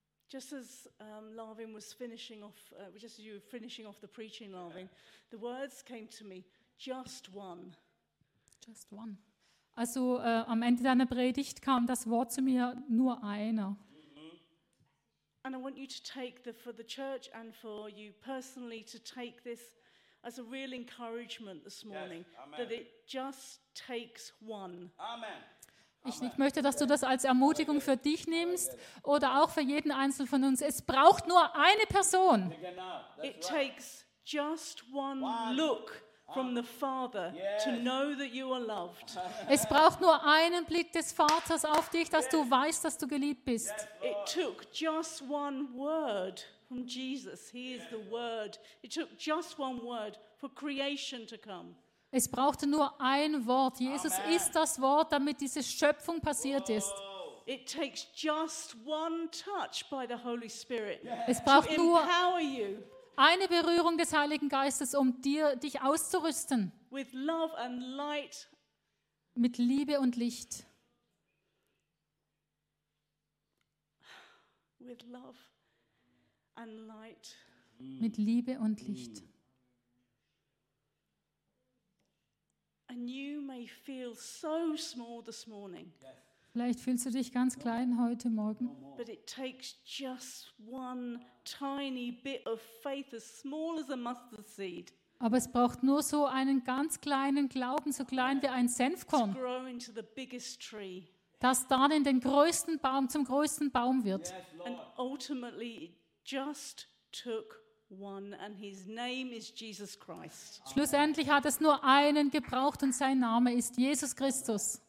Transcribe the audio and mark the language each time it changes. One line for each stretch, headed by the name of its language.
English: Just as Lavin was finishing off, just as you were finishing off the preaching, Lavin, the words came to me, just one. Just one.
German: Also am Ende deiner Predigt kam das Wort zu mir, nur einer.
English: And I want you to take the for the church and for you personally to take this as a real encouragement this morning, yes, that it just takes one. Amen.
German: Ich möchte, dass du das als Ermutigung für dich nimmst oder auch für jeden Einzelnen von uns. Es braucht nur eine Person.
English: It takes just one look from the Father to know that you are loved.
German: Es braucht nur einen Blick des Vaters auf dich, dass du weißt, dass du geliebt bist.
English: It took just one word from Jesus. He is the Word. It took just one word for creation to come.
German: Es brauchte nur ein Wort. Jesus Amen. Ist das Wort, damit diese Schöpfung passiert ist.
English: It takes just one touch by the Holy Spirit.
German: Es braucht nur eine Berührung des Heiligen Geistes, um dich auszurüsten.
English: With love and light.
German: Mit Liebe und Licht.
English: With love and light.
German: Mit Liebe und Licht.
English: And you may feel so small this morning.
German: Vielleicht fühlst du dich ganz klein heute Morgen.
English: But it takes just one tiny bit of faith, as small as a mustard seed.
German: Aber es braucht nur so einen ganz kleinen Glauben, so klein wie ein Senfkorn.
English: To grow into the biggest tree.
German: Dass dann in den größten Baum zum größten Baum wird.
English: And ultimately, it just took one, and his name is Jesus Christ.
German: Schlussendlich hat es nur einen gebraucht und sein Name ist Jesus Christus.